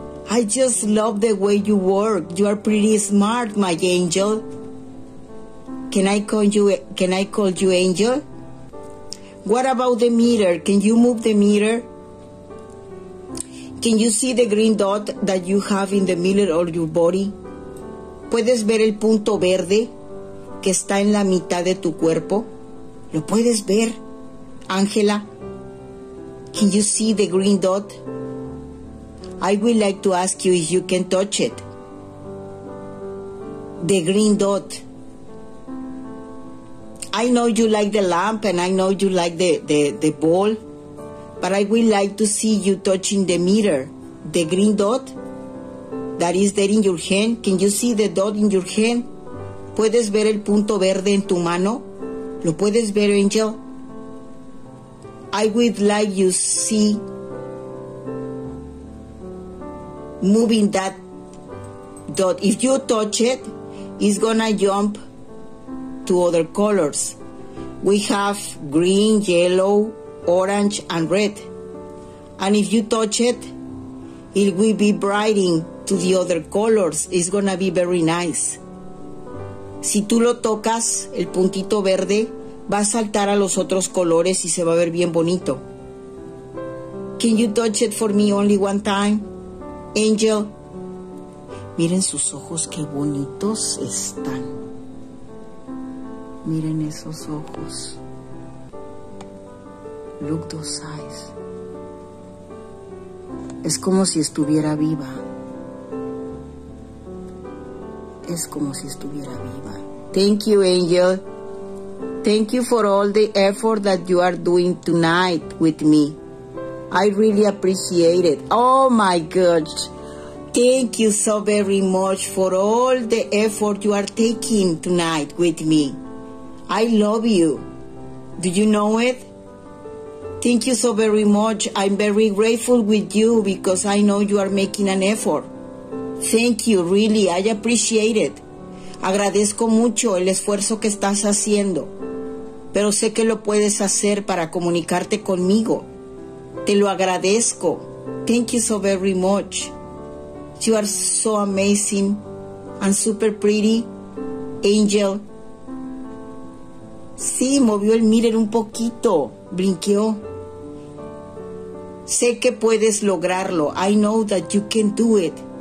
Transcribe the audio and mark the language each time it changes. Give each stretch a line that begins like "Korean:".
English: I just love the way you work. You are pretty smart, my angel. Can I call you angel? What about the meter? Can you move the meter? Can you see the green dot that you have in the middle of your body?
Spanish: ¿Puedes ver el punto verde que está en la mitad de tu cuerpo? ¿Lo puedes ver,
English: Ángela? Can you see the green dot? I would like to ask you if you can touch it. The green dot. I know you like the lamp and I know you like the ball, but I would like to see you touching the meter, the green dot that is there in your hand. Can you see the dot in your hand?
Spanish: ¿Puedes ver el punto verde en tu mano? ¿Lo puedes ver, Angel?
English: I would like you see moving that dot. If you touch it, it's gonna jump to other colors. We have green, yellow, orange, and red. And if you touch it, it will be brightening to the other colors. It's gonna be very nice.
Spanish: Si tú lo tocas, el puntito verde, va a saltar a los otros colores y se va a ver bien bonito.
English: Can you touch it for me only one time, Angel?
Spanish: Miren sus ojos, qué bonitos están. Miren esos ojos.
English: Look those eyes.
Spanish: Es como si estuviera viva. Es como si estuviera viva.
English: Thank you,
Spanish: Angel.
English: Thank you for all the effort that you are doing tonight with me. I really appreciate it. Oh, my gosh. Thank you so very much for all the effort you are taking tonight with me. I love you. Do you know it? Thank you so very much. I'm very grateful with you because I know you are making an effort Thank you, really, I appreciate it.
Spanish: Agradezco mucho el esfuerzo que estás haciendo, pero sé que lo puedes hacer para comunicarte conmigo. Te lo agradezco.
English: Thank you so very much. You are so amazing and super pretty, Angel.
Spanish: Sí, movió el mirror un poquito, brinqueó. Sé que puedes lograrlo.
English: I know that you can do it.